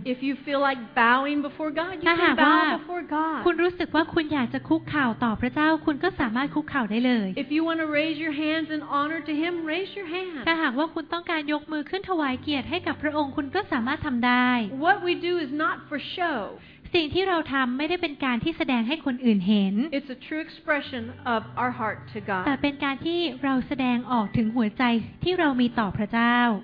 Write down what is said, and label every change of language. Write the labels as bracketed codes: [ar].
[en] If you feel like bowing before God, you can bow before God. [th] คุณรู้สึกว่าคุณอยากจะคุกเข่าต่อพระเจ้าคุณก็สามารถคุกเข่าได้เลย [en] If you want to raise your hands in honor to Him, raise your hands. [th] ถ้าหากว่าคุณต้องการยกมือขึ้นถวายเกียรติให้กับพระองค์คุณก็สามารถทำได้ [en] What we do is not for show. [th] สิ่งที่เราทำไม่ได้เป็นการที่แสดงให้คนอื่นเห็น [en] It's a true expression of our heart to God [th] แต่เป็นการที่เราแสดงออกถึงหัวใจที่เรามีต่อพระเจ้า